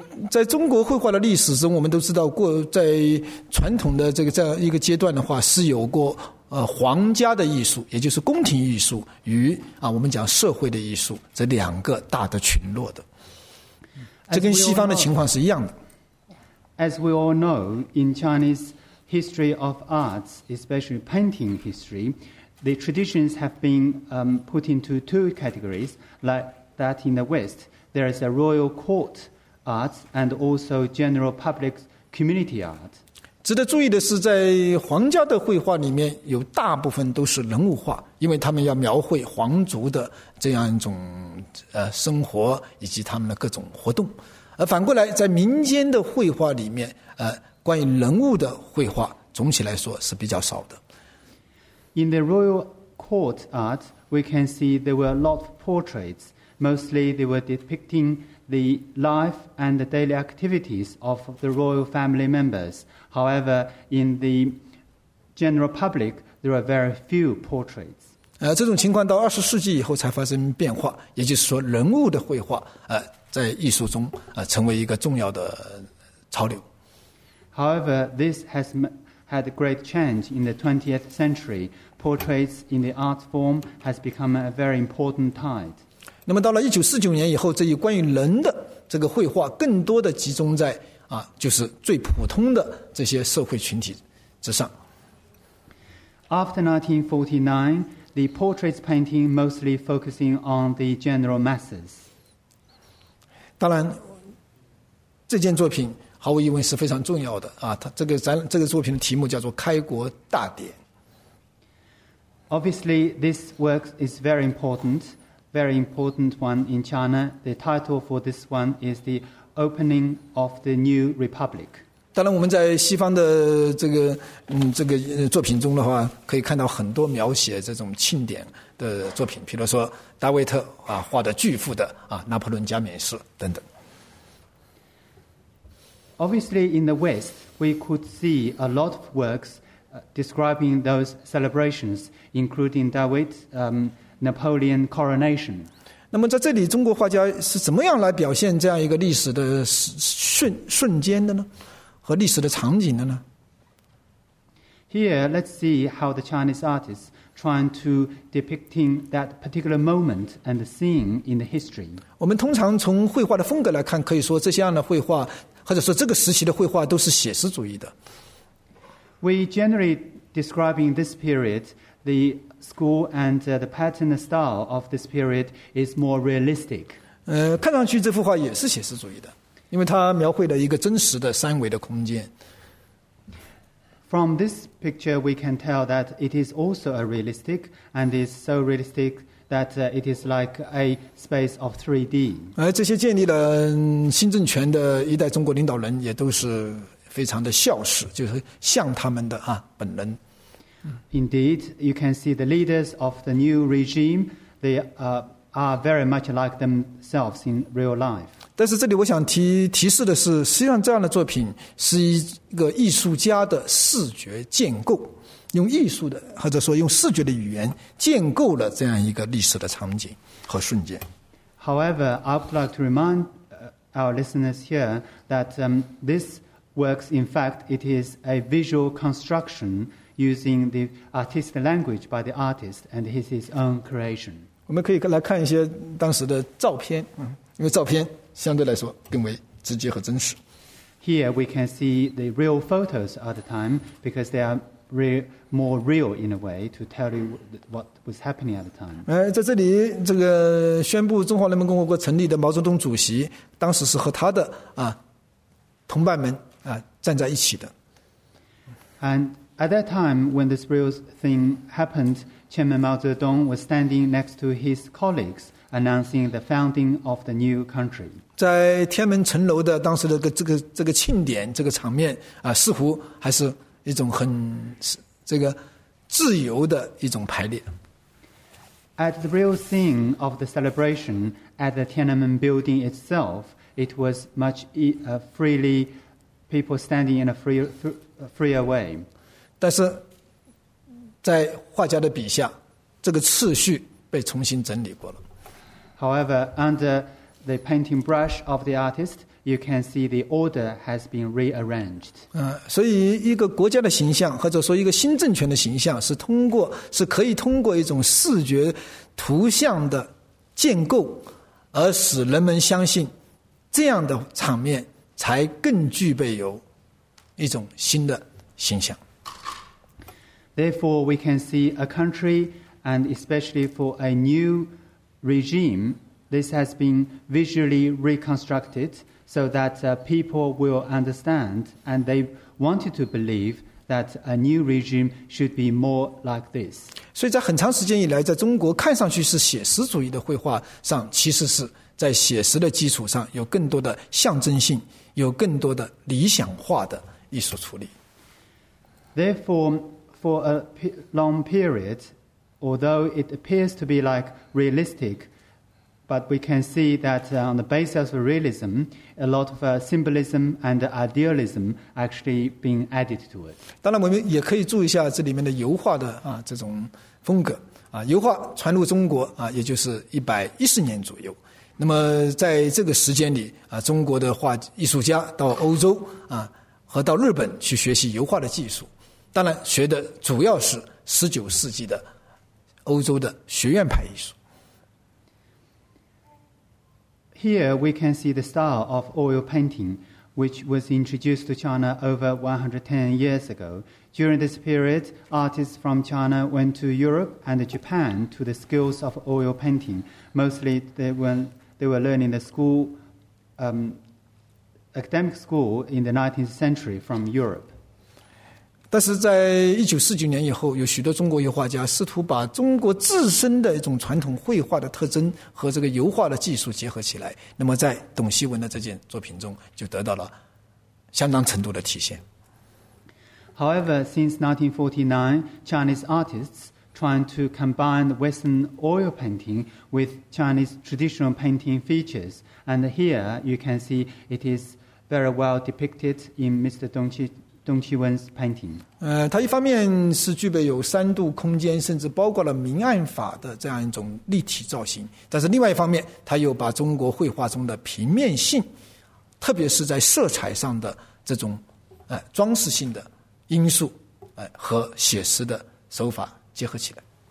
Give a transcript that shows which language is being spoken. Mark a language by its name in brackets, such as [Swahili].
[Chinese] 在中国绘画的历史中，我们都知道过，在传统的这样一个阶段的话，是有过皇家的艺术，也就是宫廷艺术与我们讲社会的艺术这两个大的群落的。这跟西方的情况是一样的。 [English] As we all know, in Chinese history of arts, especially painting history, the traditions have been put into two categories, like that in the West. There is a royal court art and also general public community art. [Chinese] 值得注意的是，在皇家的绘画里面有大部分都是人物画，因为他们要描绘皇族的这样一种生活以及他们的各种活动。而反过来在民间的绘画里面关于人物的绘画总体来说是比较少的。 [English] In the royal court art, we can see there were a lot of portraits. Mostly they were depicting the life and the daily activities of the royal family members. However, in the general public, there are very few portraits. [Chinese] 这种情况到20世纪以后才发生变化，也就是说人物的绘画在艺术中成为一个重要的潮流。 [English] However, this has had a great change in the 20th century. Portraits in the art form has become a very important type. [Chinese] 那么到了1949年以后，这一关于人的这个绘画，更多的集中在啊，就是最普通的这些社会群体之上。 [English] After 1949, the portraits painting mostly focusing on the general masses. [Chinese] 当然，这件作品毫无疑问是非常重要的啊！它这个展这个作品的题目叫做《开国大典》。 [English] Obviously, this work is very important. Very important one in China. The title for this one is the Opening of the New Republic. [Chinese] 当然，我们在西方的这个这个作品中的话，可以看到很多描写这种庆典的作品，比如说大卫特啊画的巨幅的啊拿破仑加冕式等等。 [English] Obviously, in the West, we could see a lot of works describing those celebrations, including David. Napoleon coronation. [Chinese] 那么在这里，中国画家是怎么样来表现这样一个历史的瞬间的呢？和历史的场景的呢 [English] ？Here, let's see how the Chinese artists trying to depicting that particular moment and the scene in the history. [Chinese] 我们通常从绘画的风格来看，可以说这些样的绘画，或者说这个时期的绘画都是写实主义的。 [English] We generally describing this period the. School and the pattern style of this period is more realistic. [Chinese] 看上去这幅画也是写实主义的，因为它描绘了一个真实的三维的空间。 [English] From this picture, we can tell that it is also a realistic, and is so realistic that it is like a space of 3D. [Chinese] 这些建立了新政权的一代中国领导人也都是非常的孝实，就是像他们的啊本人。 [English] Indeed, you can see the leaders of the new regime, they are very much like themselves in real life. [Chinese] 但是这里我想提示的是，实际上这样的作品是一个艺术家的视觉建构，用艺术的或者说用视觉的语言建构了这样一个历史的场景和瞬间。 [English] However, I would like to remind our listeners here that this works, in fact, it is a visual construction. Using the artist language by the artist and his own creation. [Chinese] 我们可以来看一些当时的照片，因为照片相对来说更为直接和真实。 [English] Here we can see the real photos at the time because they are real, more real in a way to tell you what was happening at the time. [Chinese] 在这里，这个宣布中华人民共和国成立的毛泽东主席，当时是和他的啊同伴们啊站在一起的。 [English] At that time, when this real thing happened, Chairman Mao Zedong was standing next to his colleagues, announcing the founding of the new country. [Chinese] 在天安门城楼的当时的这个庆典这个场面啊，似乎还是一种很这个自由的一种排列。 [English] At the real scene of the celebration at the Tiananmen building itself, it was much freely people standing in a freer way. [Chinese] 但是在画家的笔下，这个次序被重新整理过了。 [English] However, under the painting brush of the artist, you can see the order has been rearranged. [Chinese] 所以一个国家的形象，或者说一个新政权的形象，是可以通过一种视觉图像的建构，而使人们相信这样的场面才更具备有一种新的形象。 [English] Therefore, we can see a country, and especially for a new regime, this has been visually reconstructed so that people will understand and they wanted to believe that a new regime should be more like this. [Chinese] 所以在很长时间以来，在中国看上去是写实主义的绘画上，其实是在写实的基础上有更多的象征性，有更多的理想化的艺术处理。 [English] Therefore,For a long period, although it appears to be like realistic, but we can see that on the basis of realism, a lot of symbolism and idealism actually being added to it. [Chinese] 当然，我们也可以注意一下这里面的油画的啊这种风格啊，油画传入中国啊，也就是110年左右。那么在这个时间里啊，中国的画艺术家到欧洲啊和到日本去学习油画的技术。当然学的主要是19世纪的欧洲的学院派艺术。 [English] Here we can see the style of oil painting, which was introduced to China over 110 years ago. During this period, artists from China went to Europe and Japan to the schools of oil painting. Mostly, they were learning the school, academic school in the 19th century from Europe. [Chinese] 但是在1949年以后，有许多中国油画家试图把中国自身的一种传统绘画的特征和这个油画的技术结合起来，那么在董希文的这件作品中就得到了相当程度的体现。 [English] However, since 1949, Chinese artists trying to combine Western oil painting with Chinese traditional painting features, and here you can see it is very well depicted in Mr. Dong Qiwen's painting. [Chinese] 它一方面是具备有三度空间，甚至包括了明暗法的这样一种立体造型。但是另外一方面，它又把中国绘画中的平面性，特别是在色彩上的这种装饰性的因素，和写实的手法结合起来。